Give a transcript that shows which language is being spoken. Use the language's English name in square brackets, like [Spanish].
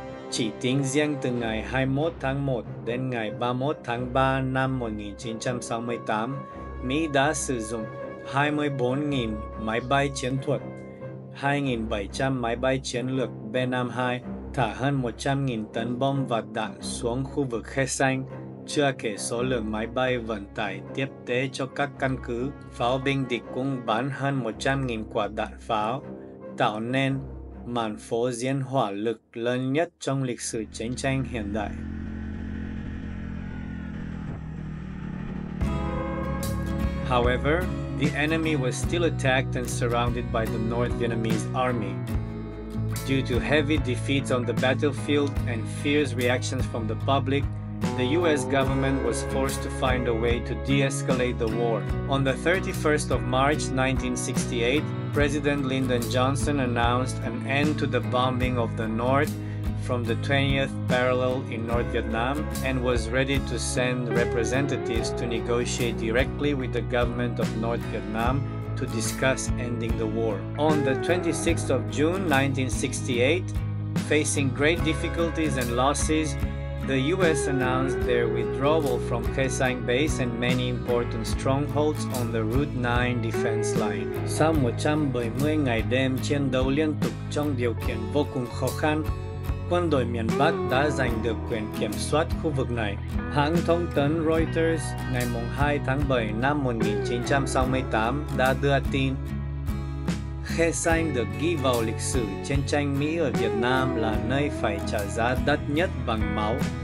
[Vietnamese] Chỉ tính riêng từ ngày 21 tháng 1 đến ngày 31 tháng 3 năm 1968, Mỹ đã sử dụng 24.000 máy bay chiến thuật, 2.700 máy bay chiến lược B-52, thả hơn 100.000 tấn bom và đạn xuống khu vực Khe Sanh, chưa kể số lượng máy bay vận tải tiếp tế cho các căn cứ. Pháo binh địch cũng bắn hơn 100.000 quả đạn pháo, tạo nên màn phô diễn hỏa lực lớn nhất trong lịch sử chiến tranh hiện đại. [English] However, the enemy was still attacked and surrounded by the North Vietnamese Army. Due to heavy defeats on the battlefield and fierce reactions from the public, the U.S. government was forced to find a way to de-escalate the war. On the 31st of March 1968, President Lyndon Johnson announced an end to the bombing of the North from the 20th parallel in North Vietnam and was ready to send representatives to negotiate directly with the government of North Vietnam to discuss ending the war. On the 26th of June 1968, facing great difficulties and losses, the U.S. announced their withdrawal from Khe Sanh base and many important strongholds on the Route 9 defense line. [Vietnamese] Sau 170 ngày đêm chiến đấu liên tục trong điều kiện vô cùng khó khăn, quân đội miền Bắc đã giành được quyền kiểm soát khu vực này. Hãng thông tấn Reuters ngày 2 tháng 7 năm 1968 đã đưa tin Khe Sanh được ghi vào lịch sử chiến tranh Mỹ ở Việt Nam là nơi phải trả giá đắt nhất bằng máu.